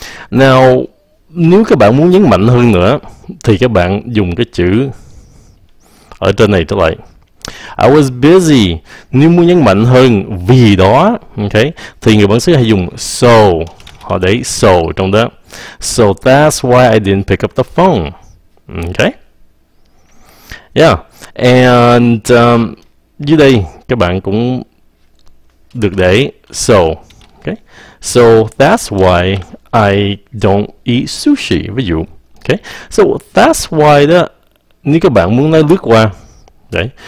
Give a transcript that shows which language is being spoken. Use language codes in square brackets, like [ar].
[vi] Now, nếu các bạn muốn nhấn mạnh hơn nữa, thì các bạn dùng cái chữ ở trên này trở lại. [en] I was busy. [vi] Nếu muốn nhấn mạnh hơn vì đó, ok, thì người bản xứ hay dùng so. Họ để so trong đó. [en] So that's why I didn't pick up the phone. Ok. Yeah. [vi] And dưới đây, các bạn cũng được để so, okay? [en] So that's why I don't eat sushi. [vi] Ví dụ, Okay, so that's why đó, nếu các bạn muốn nói lướt qua, đấy.